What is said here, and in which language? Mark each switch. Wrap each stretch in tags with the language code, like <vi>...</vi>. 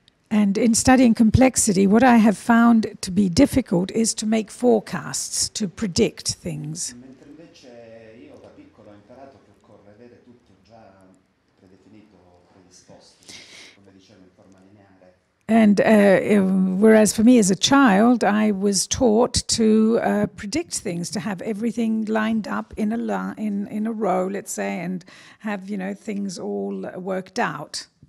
<en>And in studying complexity, what I have found to be difficult is to make forecasts, to predict things.</en> <it>Mentre invece io da piccolo ho imparato che occorre avere tutto già predefinito, predisposto, come dicevo in forma lineare.</it> <en>And whereas for me as a child, I was taught to predict things, to have everything lined up in a row, let's say, and have, you know, things all worked out.</en>